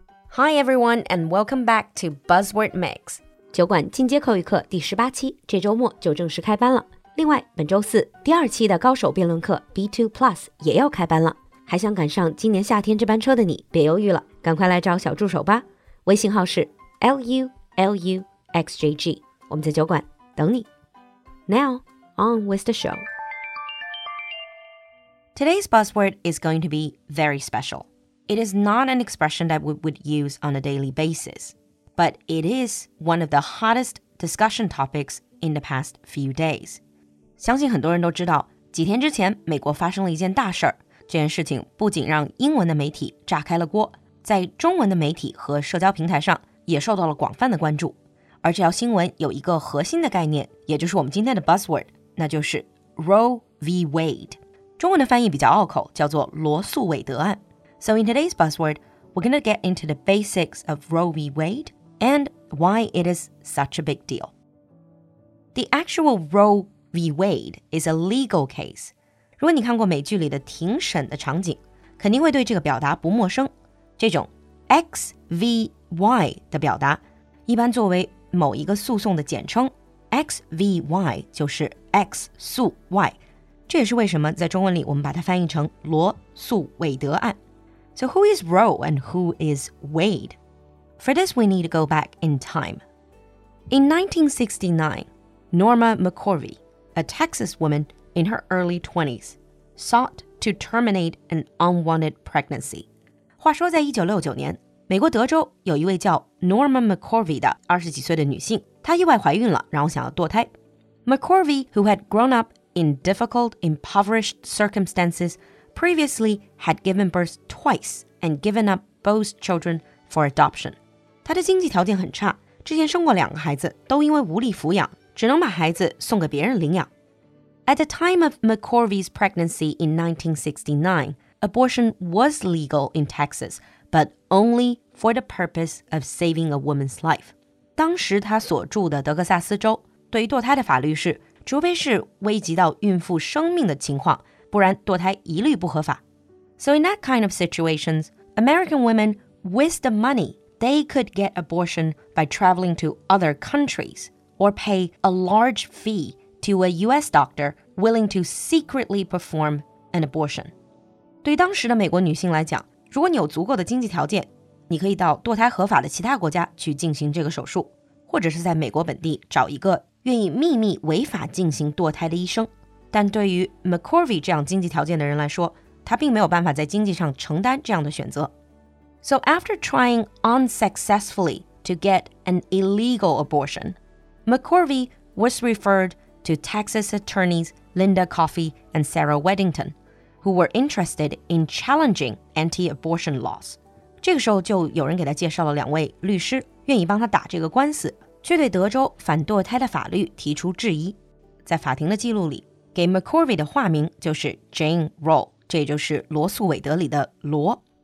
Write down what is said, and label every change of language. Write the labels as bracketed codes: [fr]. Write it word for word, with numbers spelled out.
[en] Hi everyone and welcome back to Buzzword Mix. [zh] 酒馆进阶口语课第十八期这周末就正式开班了。另外本周四第二期的高手辩论课 B two Plus 也要开班了。还想赶上今年夏天这班车的你别犹豫了，赶快来找小助手吧。微信号是 L U L U X J G。我们在酒馆等你。 [en] Now, on with the show. Today's buzzword is going to be very special. It is not an expression that we would use on a daily basis, but it is one of the hottest discussion topics in the past few days. [zh] 相信很多人都知道，几天之前美国发生了一件大事儿。这件事情不仅让英文的媒体炸开了锅，在中文的媒体和社交平台上也受到了广泛的关注。而这条新闻有一个核心的概念，也就是我们今天的 buzzword， 那就是 Roe v. [en] Wade。 [zh] 中文的翻译比较拗口，叫做罗素韦德案。 [en] So in today's buzzword, we're going to get into the basics of Roe v. Wade and why it is such a big deal. The actual Roe v. Wade is a legal case. [zh] 如果你看过美剧里的庭审的场景，肯定会对这个表达不陌生。这种 X V Y 的表达，一般作为某一个诉讼的简称 X V Y 就是 X 诉 Y， 这也是为什么在中文里我们把它翻译成罗素韦德案。 [en] So who is Roe and who is Wade? For this, we need to go back in time. In nineteen sixty-nine, Norma McCorvey, a Texas woman in her early twenties, sought to terminate an unwanted pregnancy. [zh] 话说在一九六九年，美国德州有一位叫 Norma McCorvey 的二十几岁的女性，她意外怀孕了，然后想要堕胎。 [en] McCorvey, who had grown up in difficult, impoverished circumstances, previously had given birth twice and given up both children for adoption. [zh] 她的经济条件很差，之前生过两个孩子，都因为无力抚养，只能把孩子送给别人领养。 [en] At the time of McCorvey's pregnancy in nineteen sixty-nine, abortion was legal in Texas,but only for the purpose of saving a woman's life. [zh] 当时他所住的德克萨斯州，对于堕胎的法律是，除非是危及到孕妇生命的情况，不然堕胎一律不合法。 [en] So in that kind of situations, American women, with the money, they could get abortion by traveling to other countries or pay a large fee to a U S doctor willing to secretly perform an abortion. [zh] 对于当时的美国女性来讲，如果你有足够的经济条件，你可以到堕胎合法的其他国家去进行这个手术，或者是在美国本地找一个愿意秘密违法进行堕胎的医生。但对于 McCorvey 这样经济条件的人来说，他并没有办法在经济上承担这样的选择。 [en] So after trying unsuccessfully to get an illegal abortion, McCorvey was referred to Texas attorneys Linda Coffey and Sarah Weddington. who were interested in challenging anti-abortion laws. [zh] 这个时候就有人给他介绍了两位律师，愿意帮他打这个官司，却对德州反堕胎的法律提出质疑。在法庭的记录里，给 McCorvey 的化名就是 Jane Roe， 这就是罗素韦德里的罗。